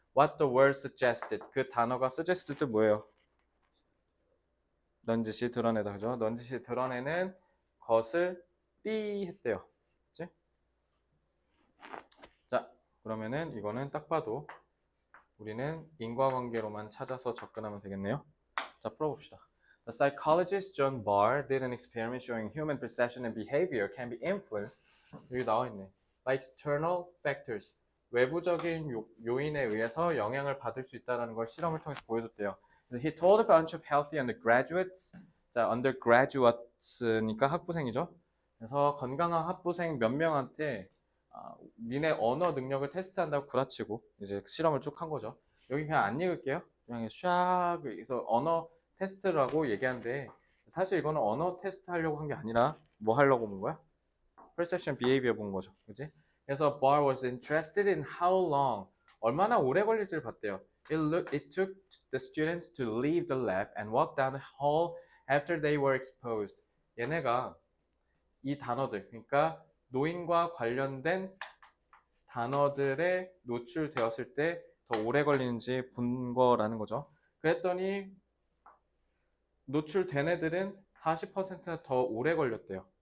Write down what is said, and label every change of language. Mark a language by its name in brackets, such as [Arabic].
[English] What the word suggested. [Korean] 그 단어가 suggested 뭐예요? 넌지시 드러내다. 그죠? 넌지시 드러내는 것을 B 했대요. 그치? 자, 그러면은 이거는 딱 봐도 우리는 인과관계로만 찾아서 접근하면 되겠네요. 자, 풀어봅시다. [English] The psychologist John Barr did an experiment showing human perception and behavior can be influenced. [Korean] 여기 나와 있네. [English] By external factors. [Korean] 외부적인 요인에 의해서 영향을 받을 수 있다는 걸 실험을 통해서 보여줬대요. [English] He told a bunch of healthy undergraduates. [Korean] 자, undergraduates니까 학부생이죠. 그래서 건강한 학부생 몇 명한테 니네 언어 능력을 테스트한다고 구라치고 이제 실험을 쭉 한 거죠. 여기 그냥 안 읽을게요. 그냥 샥 해서 언어 테스트라고 얘기하는데 사실 이거는 언어 테스트 하려고 한 게 아니라 뭐 하려고 본 거야? Perception behavior 본 거죠. 그치? 그래서 [English] Barr was interested in how long, [Korean] 얼마나 오래 걸릴지를 봤대요. [English] It took the students to leave the lab and walk down the hall after they were exposed. [Korean] 얘네가 이 단어들, 그러니까 노인과 관련된 단어들에 노출되었을 때 더 오래 걸리는지 본 거라는 거죠. 그랬더니 노출된 애들은 40%나 더 오래 걸렸대요.